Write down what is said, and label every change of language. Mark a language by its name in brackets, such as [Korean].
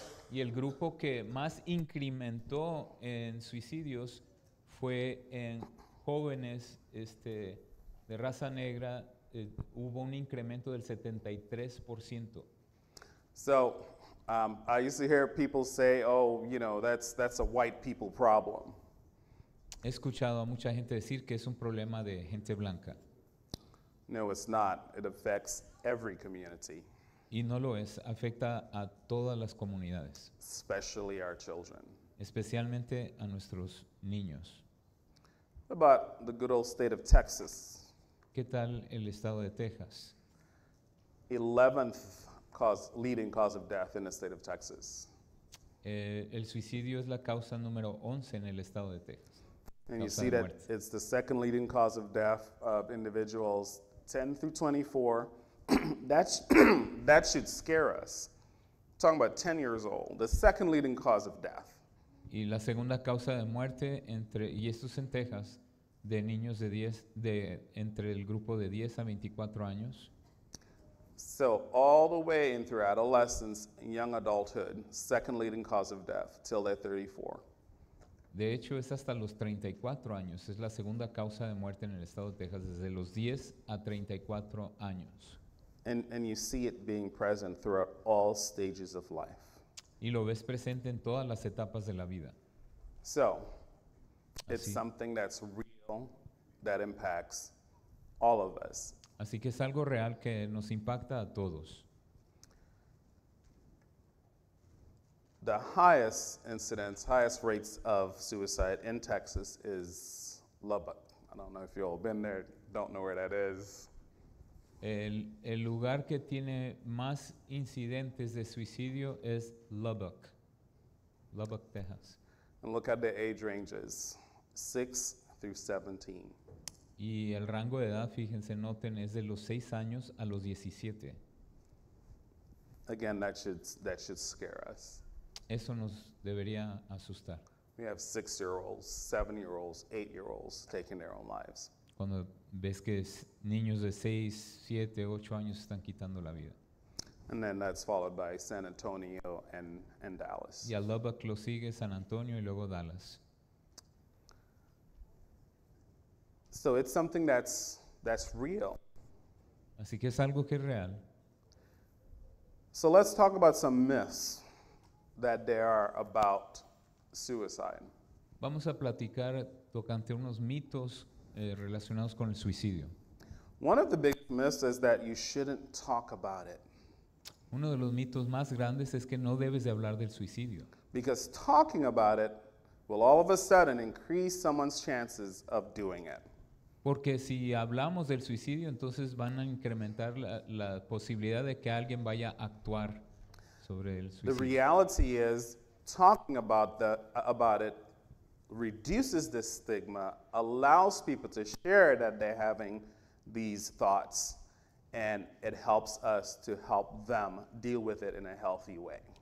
[Spanish] Y el grupo que más incrementó en suicidios fue en jóvenes de raza negra. Hubo un incremento del 73%. [English] So, I used to hear people say, oh, you know, that's a white people problem. [Spanish] He escuchado a mucha gente decir que es un problema de gente blanca. [English] No, it's not. It affects every community. [Spanish] Y no lo es. Afecta a todas las comunidades. [English] Especially our children. [Spanish] Especialmente a nuestros niños. [English] What about the good old state of Texas? [Spanish] ¿Qué tal el estado de Texas? [English] 11th cause, leading cause of death in the state of Texas. [Spanish] El suicidio es la causa número 11 en el estado de Texas. [English] And you see that it's the second leading cause of death of individuals 10 through 24. that should scare us. Talking about 10 years old, the second leading cause of death. [Spanish] Y la segunda causa de muerte entre, y esto es en Texas, de niños de 10, de entre el grupo de 10 a 24 años. [English] So all the way in through adolescence, young adulthood, second leading cause of death, till they're 34. [Spanish] De hecho, es hasta los 34 años. Es la segunda causa de muerte en el estado de Texas, desde los 10 a 34 años. [English] And you see it being present throughout all stages of life. [Spanish] Y lo ves presente en todas las etapas de la vida. [English] So, it's [Spanish] así. [English] Something that's real, that impacts all of us. [Spanish] Así que es algo real que nos impacta a todos. [English] The highest incidence, highest rates of suicide in Texas is Lubbock. I don't know if you've all been there, don't know where that is. [Spanish] El lugar que tiene más incidentes de suicidio es Lubbock. Lubbock, Texas. [English] And look at the age ranges, 6 through 17. [Spanish] Y el rango de edad, fíjense, noten, es de los 6 años a los 17. [English] Again, that should scare us. [Spanish] Eso nos debería asustar. [English] We have 6-year-olds, 7-year-olds, 8-year-olds taking their own lives. [Spanish] Cuando ves que niños de 6, 7, 8 años están quitando la vida. [English] And then that's followed by San Antonio and Dallas. [Spanish] Y a Lubbock lo sigue San Antonio y luego Dallas. [English] So it's something that's real. [Spanish] Así que es algo que es real. [English] So let's talk about some myths that there are about suicide. [Spanish] Vamos a platicar tocante unos mitos relacionados con el suicidio. [English] One of the big myths is that you shouldn't talk about it. [Spanish] Uno de los mitos más grandes es que no debes de hablar del suicidio. [English] Because talking about it will all of a sudden increase someone's chances of doing it. [Spanish] Porque si hablamos del suicidio, entonces van a incrementar la posibilidad de que alguien vaya a actuar. [English] The reality is, talking about it reduces the stigma, allows people to share that they're having these thoughts, and it helps us to help them deal with it in a healthy way.